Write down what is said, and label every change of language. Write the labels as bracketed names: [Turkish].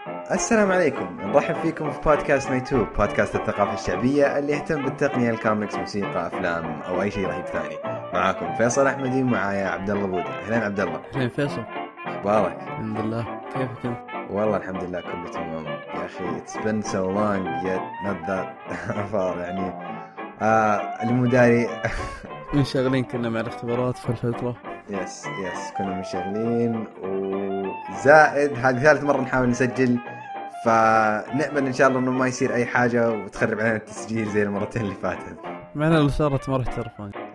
[Arabic] السلام عليكم، نرحب فيكم في بودكاست ميتوب، بودكاست الثقافة الشعبية اللي يهتم بالتقنية، الكوميكس، موسيقى، أفلام أو أي شيء رهيب ثاني. معاكم فيصل أحمدي، معايا عبد الله بودة. أهلاً عبد الله. أهلاً فيصل. أخبارك؟ الحمد لله، كيفك؟ والله الحمد لله كله تمام يا أخي. [English] It's been so long yet not that far. [Arabic] يعني المداري مشغلين، كنا مع الاختبارات في الفترة. يس كنا مشغلين، وزائد هذه ثالث مرة نحاول نسجل، فنأمل إن شاء الله إنه ما يصير أي حاجة وتخرب علينا التسجيل زي المرتين اللي فاتت. معنا اللي صارت مرة تعرفون.